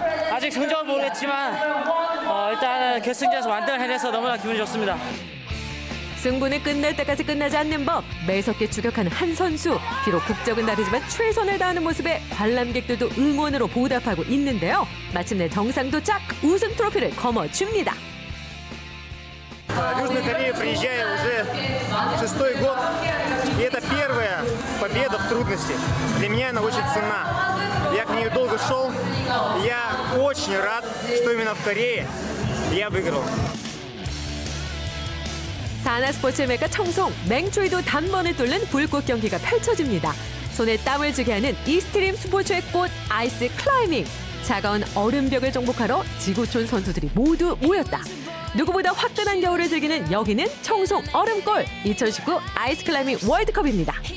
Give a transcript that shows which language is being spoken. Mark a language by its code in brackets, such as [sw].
[ko] 아직 성적은 모르겠지만 일단은 결승전에서 완등을 해내서 너무나 기분이 좋습니다. 승부는 끝날 때까지 끝나지 않는 법. 매섭게 추격하는 한 선수. 비록 국적은 다르지만 최선을 다하는 모습에 관람객들도 응원으로 보답하고 있는데요. 마침내 정상 도착! 우승 트로피를 거머쥡니다. [ru] Южная Корея приезжает уже шестой год, и это первая победа в трудности. Для меня она очень ценна. Я к ней долго шел, я очень рад, что именно в Корее я выиграл. [ko] 사나 스포츠 메카 청송, 맹추위도 단번에 뚫는 불꽃 경기가 펼쳐집니다. 손에 땀을 쥐게 하는 익스트림 스포츠의 꽃, 아이스 클라이밍. 차가운 얼음벽을 정복하러 지구촌 선수들이 모두 모였다. 누구보다 화끈한 겨울을 즐기는 여기는 청송 얼음골 2019 아이스클라이밍 월드컵입니다.